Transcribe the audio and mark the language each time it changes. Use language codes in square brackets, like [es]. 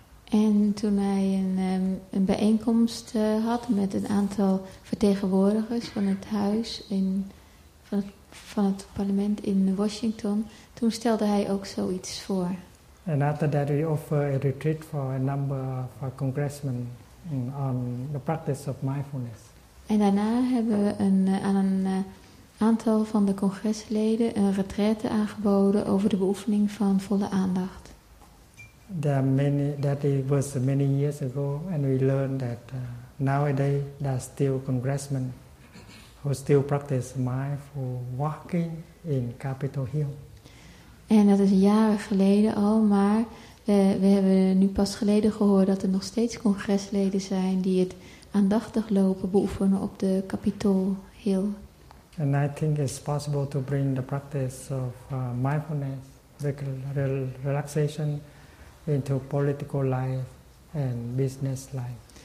[nl] En toen hij een bijeenkomst had met een aantal vertegenwoordigers van het huis van het parlement in Washington, toen stelde hij ook zoiets voor. [en] And after that we offer a retreat for a number of congressmen on the practice of mindfulness. [nl] En daarna hebben we aan een aantal van de congresleden een retraite aangeboden over de beoefening van volle aandacht. [en] That was many years ago, and we learned that nowadays there are still congressmen who still practice mindful walking in Capitol Hill. [nl] En dat is jaren geleden al, maar we hebben nu pas geleden gehoord dat er nog steeds congresleden zijn die het aandachtig lopen beoefenen op de Capitol Hill. [en] And I think it's possible to bring the practice of mindfulness, relaxation, into political life and business life.